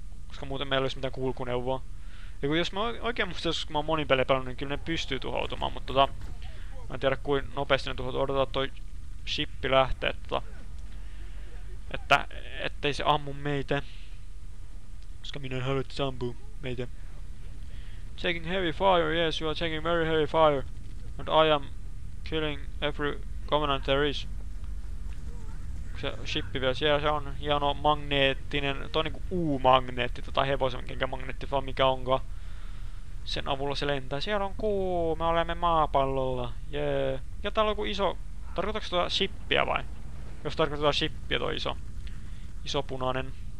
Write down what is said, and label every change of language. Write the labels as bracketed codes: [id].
[fi] Koska muuten meillä olisi mitään kulkuneuvoa. Eiku jos mä oikein muista, jos mä oon monin pelejä pelannut, niin kyllä ne pystyy tuhoutumaan, mutta tota... Mä en tiedä, kuin nopeasti ne tuhoutuu. Odotetaan, toi shippi lähtee, tota... Että... ettei se ammu meitä. Koska minä en halua, että se ampuu meitä. [en] Taking heavy fire, yes, you are taking very heavy fire. And I am killing every covenant there is. [fi] Se shippi vielä siellä, se on hieno magneettinen, toi niinku U-magneetti, tai hevosen, minkä magneetti, vaan mikä onkaan. Sen avulla se lentää. Siellä on kuu, me olemme maapallolla, jee. Ja täällä on joku iso, tarkoitatko tuota shippiä vai? Jos tarkoitetaan shippiä, toi iso. Iso punainen.